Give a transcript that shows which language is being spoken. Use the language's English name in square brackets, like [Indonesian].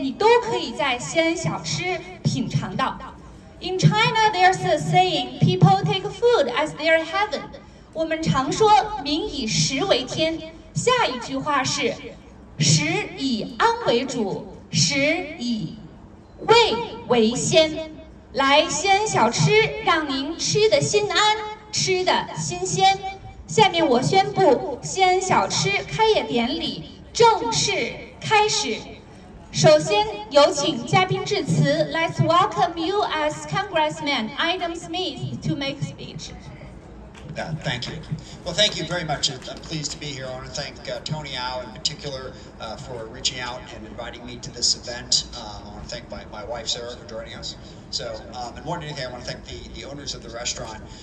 [Chinese] 作为十三朝古都的西安，可谓处处是名胜，遍地是文物。西安的小吃也很有名，比如肉夹馍、凉皮、羊肉泡馍、赠糕、凉凉面、荞面饸饹等等，这些你都可以在西安小吃品尝到。 [English] In China, there's a saying, people take food as their heaven. [Chinese] 我们常说民以食为天，下一句话是食以安为主，食以味为先。来西安小吃，让您吃得心安，吃得新鲜。下面我宣布西安小吃开业典礼正式开始。首先有请嘉宾致辞。 [English] Let's welcome you as Congressman Adam Smith to make speech. Thank you. Well, thank you very much. I'm pleased to be here. I want to thank Tony Au in particular for reaching out and inviting me to this event. I want to thank my wife, Sarah, for joining us. So, and more than anything, I want to thank the owners of the restaurant.